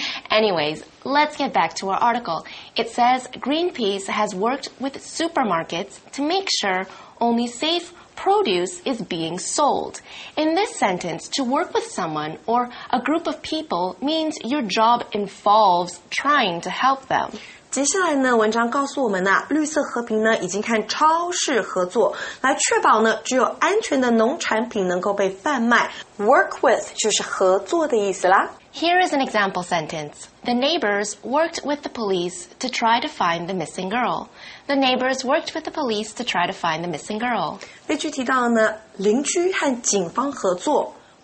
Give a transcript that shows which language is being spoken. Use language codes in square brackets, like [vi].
[en] Anyways, let's get back to our article. It says Greenpeace has worked with supermarkets to make sure only safe produce is being sold. In this sentence, to work with someone or a group of people means your job involves trying to help them. [zh] 接下来呢，文章告诉我们呢，绿色和平呢已经和超市合作，来确保呢只有安全的农产品能够被贩卖。 Work with 就是合作的意思啦。 [en] Here is an example sentence. The neighbors worked with the police to try to find the missing girl. The neighbors worked with the police to try to find the missing girl. [zh] 例句提到呢，邻居和警方合作。